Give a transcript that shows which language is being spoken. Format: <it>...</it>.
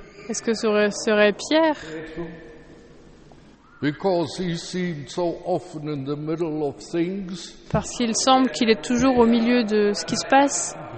<fr>Est-ce que ce serait Pierre?</fr> <en>Because he seemed so often in the middle of things.</en> <fr>Parce qu'il semble qu'il est toujours au milieu de ce qui se passe.</fr>